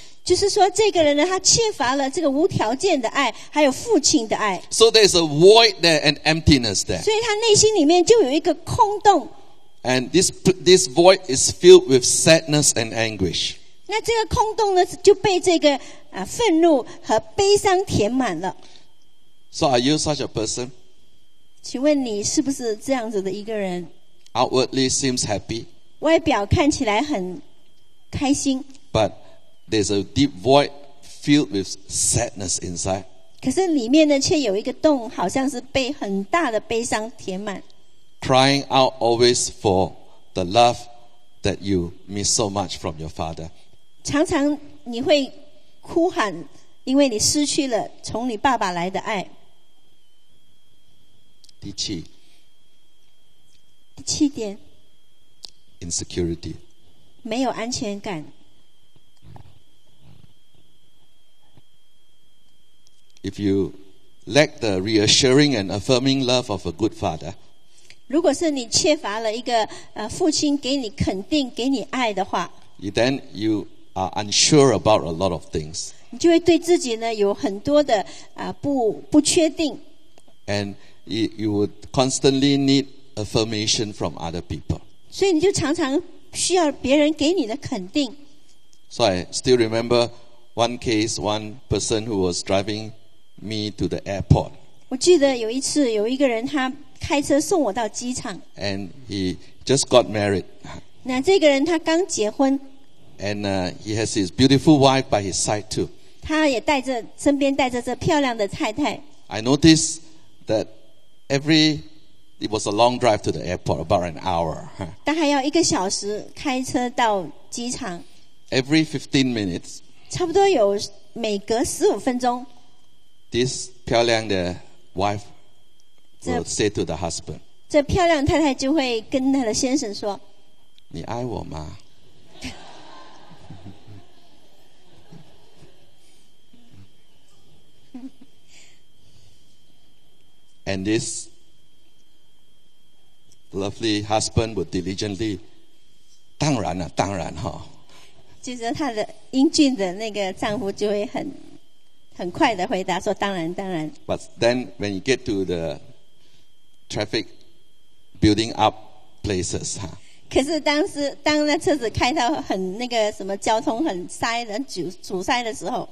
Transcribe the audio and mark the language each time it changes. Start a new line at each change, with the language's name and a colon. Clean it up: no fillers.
Chinese: 就是说这个人呢他缺乏了这个无条件的爱还有父亲的爱。
English: So there is a void there, an emptiness there.
Chinese: 所以他内心里面就有一个空洞。
English: And this void is filled with sadness and anguish.
Chinese: 那这个空洞呢就被这个愤怒和悲伤填满了。
English: So are you such a person?
Chinese: 请问你是不是这样子的一个人?
English: Outwardly seems happy.
Chinese: 外表看起来很开心。
English: But there's a deep void filled with sadness inside.
Chinese: 可是里面呢却有一个洞，好像是被很大的悲伤填满。
English: Crying out always for the love that you miss so much from your father.
Chinese: 常常你会哭喊因为你失去了从你爸爸来的爱。第七点。
English: Insecurity.
Chinese: 没有安全感。
English: If you lack the reassuring and affirming love of a good father,
Chinese: 如果是你缺乏了一个父亲给你肯定给你爱的话，
English: then you are unsure about a lot of things.
Chinese: 你就会对自己呢有很多的不确定。
English: And you would constantly need affirmation from other people.
Chinese: 所以你就常常需要别人给你的肯定。
English: So I still remember one case, one person who was driving me to the airport.
Chinese: 我记得有一次有一个人他开车送我到机场。
English: And he just got married.
Chinese: 那这个人他刚结婚。
English: And he has his beautiful wife by his side too.
Chinese: 他也带着身边带着这漂亮的太太。
English: I noticed that it was a long drive to the airport, about an hour.
Chinese: 他还要一个小时开车到机场。
English: Every 15 minutes.
Chinese: 差不多有每隔15分钟。
English: This
Chinese: 漂亮的
English: wife will say to the husband.
Chinese: 这漂亮太太就会跟他的先生说： 你爱我吗？
English: And this lovely husband would diligently,
Chinese: 当然了，当然哈。就是他的英俊的那个丈夫就会很快的回答说，当然，当然。
English: But then when you get to the traffic building up places, 哈。
Chinese: 可是当那车子开到很那个什么交通很塞人阻塞的时候